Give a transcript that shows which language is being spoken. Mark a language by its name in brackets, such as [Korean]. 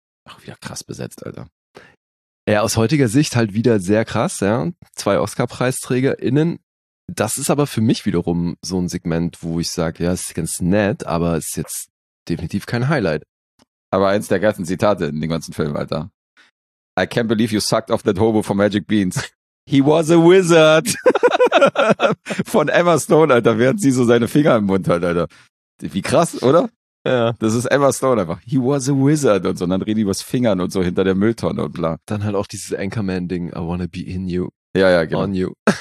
[German] Ach, wieder krass besetzt, Alter. Ja, aus heutiger Sicht halt wieder sehr krass, ja. Zwei Oscar-PreisträgerInnen. Das ist aber für mich wiederum so ein Segment, wo ich sage, ja, ist ganz nett, aber ist jetzt definitiv kein Highlight. Aber eins der geilsten Zitate in dem ganzen Film, Alter. [English] I can't believe you sucked off that hobo from Magic Beans. He was a wizard. [German] Von Emma Stone, Alter, während sie so seine Finger im Mund hat, Alter. Wie krass, oder? Ja. Das ist Emma Stone einfach. [English] He was a wizard [German] und so. Und dann reden die über das Fingern und so hinter der Mülltonne und bla. Dann halt auch dieses Anchorman-Ding. [English] I wanna be in you. [German] Ja, ja, genau. [English] On you.